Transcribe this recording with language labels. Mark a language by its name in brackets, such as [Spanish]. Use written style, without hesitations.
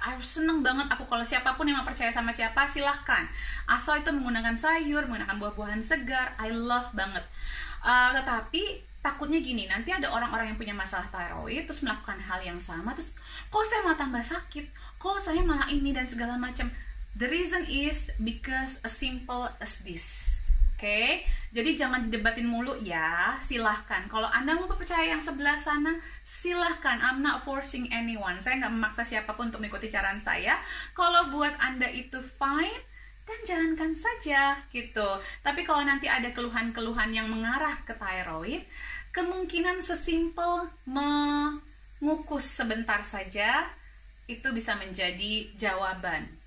[Indonesian] I seneng banget aku kalau siapapun yang mau percaya sama siapa, silahkan. Asal itu menggunakan sayur, menggunakan buah-buahan segar, [English] I love [Indonesian] banget. Tetapi takutnya gini, nanti ada orang-orang yang punya masalah tiroid, terus melakukan hal yang sama, terus kok saya malah tambah sakit, kok saya malah ini dan segala macam. [English] The reason is because as simple as this. [Indonesian] Okay? Jadi jangan didebatin mulu ya, silahkan. Kalau Anda mau percaya yang sebelah sana, silahkan. [English] I'm not forcing anyone. [Indonesian] Saya nggak memaksa siapapun untuk mengikuti caraan saya. Kalau buat Anda itu fine, dan jalankan saja gitu. Tapi kalau nanti ada keluhan-keluhan yang mengarah ke tiroid, kemungkinan sesimpel mengukus sebentar saja, itu bisa menjadi jawaban.